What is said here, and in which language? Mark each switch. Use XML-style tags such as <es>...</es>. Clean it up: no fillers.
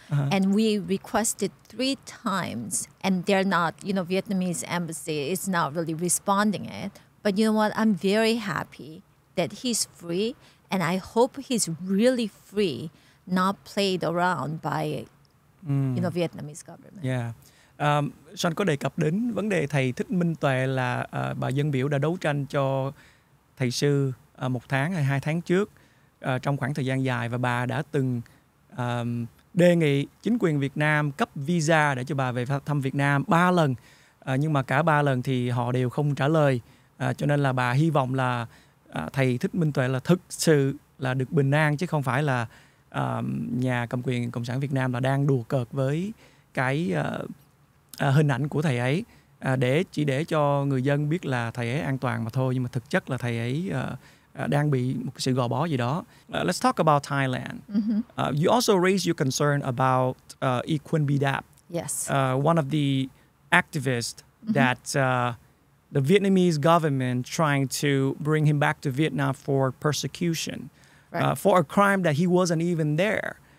<en>And we requested 3 times and they're not, you know, Vietnamese embassy is not really responding it. But you know what? I'm very happy that he's free. And I hope he's really free, not played around by, you know, Vietnamese government. Yeah.</en> <vi>Sean có đề cập đến vấn đề thầy Thích Minh Tuệ là bà dân biểu đã đấu tranh cho thầy sư 1 tháng hay 2 tháng trước trong khoảng thời gian dài và bà đã từng đề nghị chính quyền Việt Nam cấp visa để cho bà về thăm Việt Nam 3 lần. Nhưng mà cả 3 lần thì họ đều không trả lời. Cho nên là bà hy vọng là thầy Thích Minh Tuệ là thực sự là được bình an chứ không phải là nhà cầm quyền Cộng sản Việt Nam là đang đùa cợt với cái hình ảnh của thầy ấy để chỉ để cho người dân biết là thầy ấy an toàn mà thôi, nhưng mà thực chất là thầy ấy đang bị một sự gò bó gì đó.</vi> <en>Let's talk about Thailand. You also raised your concern about Yi Khun Bi Dap. Yes. One of the activists that the Vietnamese government trying to bring him back to Vietnam for persecution, for a crime that he wasn't even there.</en>